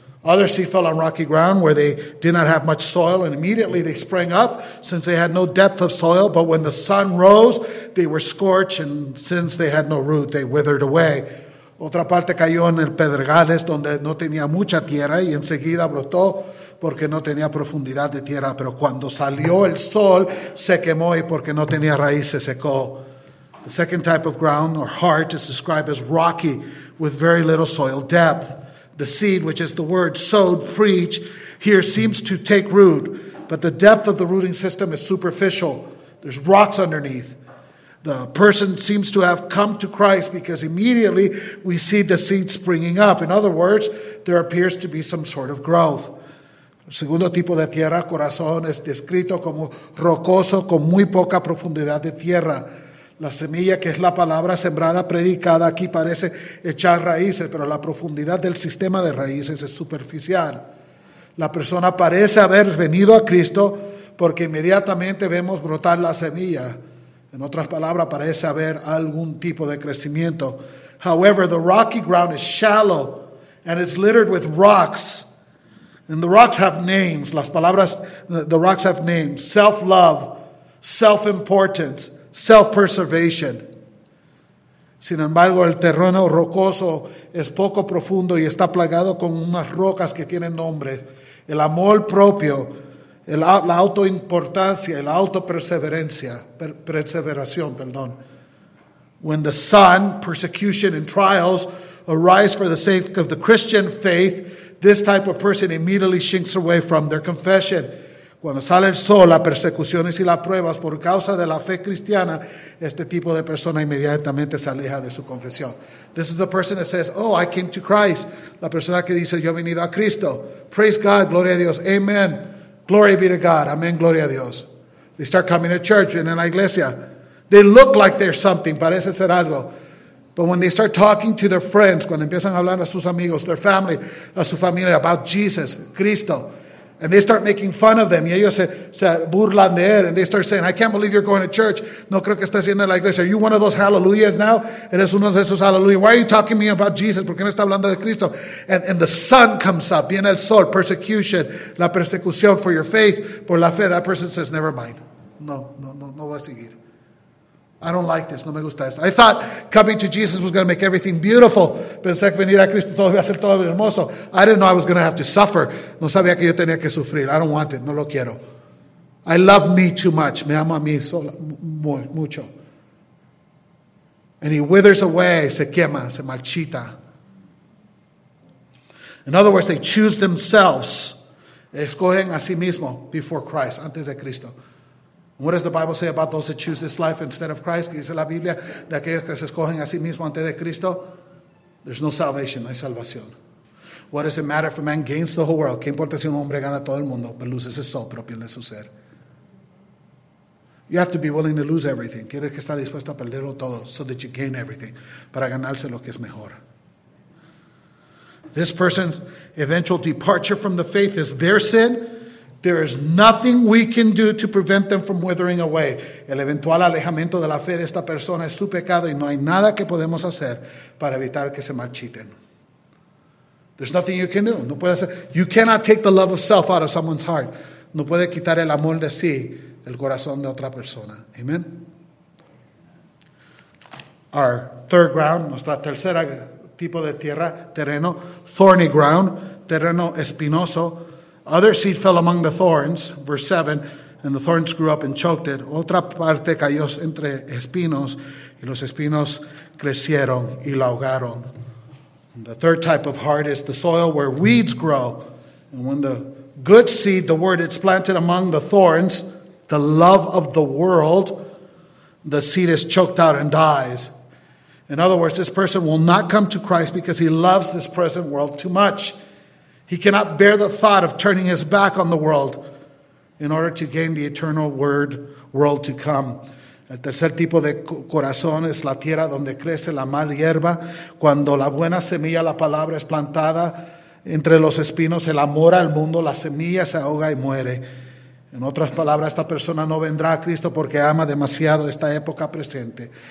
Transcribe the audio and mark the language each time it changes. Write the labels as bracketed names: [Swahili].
[English] Other seed fell on rocky ground where they did not have much soil, and immediately they sprang up since they had no depth of soil. But when the sun rose, they were scorched, and since they had no root, they withered away. [Spanish] Otra parte cayó en el pedregales donde no tenía mucha tierra y enseguida brotó porque no tenía profundidad de tierra. Pero cuando salió el sol, se quemó y porque no tenía raíz, se secó. [English] The second type of ground or heart is described as rocky with very little soil depth. The seed, which is the word sowed, preach, here seems to take root, but the depth of the rooting system is superficial. There's rocks underneath. The person seems to have come to Christ because immediately we see the seed springing up. In other words, there appears to be some sort of growth. [Spanish] El segundo tipo de tierra, corazón, es descrito como rocoso con muy poca profundidad de tierra. La semilla, que es la palabra sembrada, predicada, aquí parece echar raíces, pero la profundidad del sistema de raíces es superficial. La persona parece haber venido a Cristo porque inmediatamente vemos brotar la semilla. En otras palabras, parece haber algún tipo de crecimiento. [English] However, the rocky ground is shallow and it's littered with rocks. And the rocks have names. [Spanish] Las palabras, [English] the rocks have names. Self-love, self-importance, self-preservation. [Spanish] Sin embargo, el terreno rocoso es poco profundo y está plagado con unas rocas que tienen nombres. El amor propio, la autoimportancia, la autoperseverancia, perseveración. [English] When the sun, persecution and trials arise for the sake of the Christian faith, this type of person immediately shrinks away from their confession. [Spanish] Cuando sale el sol, las persecuciones y las pruebas por causa de la fe cristiana, este tipo de persona inmediatamente se aleja de su confesión. [English] This is the person that says, oh, I came to Christ. [Spanish] La persona que dice, yo he venido a Cristo. [English] Praise God, [Spanish] gloria a Dios. Amen. [English] Glory be to God. [Spanish] Amen, gloria a Dios. [English] They start coming to church and in la iglesia. They look like they're something. [Spanish] Parece ser algo. [English] But when they start talking to their friends, [Spanish] cuando empiezan a hablar a sus amigos, [English] their family, [Spanish] a su familia, [English] about Jesus, Cristo, and they start making fun of them, [Spanish] y ellos se burlan de él, [English] and they start saying, I can't believe you're going to church. [Spanish] No creo que estés yendo a la iglesia. [English] Are you one of those hallelujahs now? [Spanish] Eres uno de esos hallelujahs. [English] Why are you talking to me about Jesus? [Spanish] ¿Por qué no está hablando de Cristo? [English] And the sun comes up, [Spanish] viene el sol, persecution, la persecución [English] for your faith, [Spanish] por la fe. [English] That person says, never mind. [Spanish] no voy a seguir. [English] I don't like this, [Spanish] no me gusta esto. [English] I thought coming to Jesus was going to make everything beautiful. [Spanish] Pensé que venir a Cristo todo iba a ser todo hermoso. [English] I didn't know I was going to have to suffer. [Spanish] No sabía que yo tenía que sufrir. [English] I don't want it, [Spanish] no lo quiero. [English] I love me too much. [Spanish] Me amo a mí sola, mucho. [English] And he withers away, [Spanish] se quema, se marchita. [English] In other words, they choose themselves. [Spanish] Escogen a sí mismo [English] before Christ, [Spanish] antes de Cristo. [English] What does the Bible say about those that choose this life instead of Christ? [Spanish] ¿Qué dice la Biblia de aquellos que se escogen a sí mismo antes de Cristo? [English] There's no salvation, [Spanish] no hay salvación. [English] What does it matter if a man gains the whole world? [Spanish] ¿Qué importa si un hombre gana todo el mundo? [English] But loses his soul, [Spanish] pero pierde su ser. [English] You have to be willing to lose everything. [Spanish] Tienes que estar dispuesto a perderlo todo [English] so that you gain everything. [Spanish] Para ganarse lo que es mejor. [English] This person's eventual departure from the faith is their sin. There is nothing we can do to prevent them from withering away. [Spanish] El eventual alejamiento de la fe de esta persona es su pecado y no hay nada que podemos hacer para evitar que se marchiten. [English] There's nothing you can do. [Spanish] No puede hacer. [English] You cannot take the love of self out of someone's heart. [Spanish] No puede quitar el amor de sí el corazón de otra persona. [English] Amen. Our third ground, [Spanish] nuestra tercera tipo de tierra, terreno, [English] thorny ground, [Spanish] terreno espinoso. [English] Other seed fell among the thorns, verse 7, and the thorns grew up and choked it. [Spanish] Otra parte cayó entre espinos, y los espinos crecieron y la ahogaron. [English] The third type of heart is the soil where weeds grow. And when the good seed, the word, it's planted among the thorns, the love of the world, the seed is choked out and dies. In other words, this person will not come to Christ because he loves this present world too much. He cannot bear the thought of turning his back on the world in order to gain the eternal word world to come. [Spanish] El tercer tipo de corazón es la tierra donde crece la mal hierba. Cuando la buena semilla, la palabra, es plantada entre los espinos, el amor al mundo, la semilla se ahoga y muere. En otras palabras, esta persona no vendrá a Cristo porque ama demasiado esta época presente.